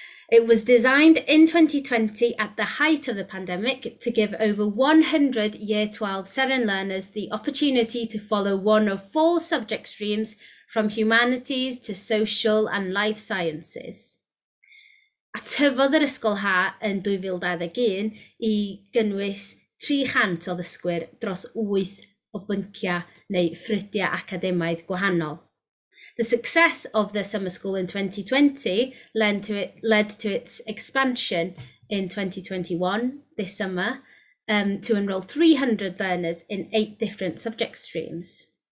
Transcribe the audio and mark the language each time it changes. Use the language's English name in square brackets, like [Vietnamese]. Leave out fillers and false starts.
[English] It was designed in 2020 at the height of the pandemic to give over 100 Year 12 Seren learners the opportunity to follow one of 4 subject streams from humanities to social and life sciences. [Welsh] A tyfodd yr ysgol ha yn 2021 I gynnwys 300 o ddysgwyr dros 8 o bynciau neu ffrydiau academaidd gwahanol. [English] The success of the summer school in 2020 led to its expansion in 2021, this summer, to enrol 300 learners in 8 different subject streams.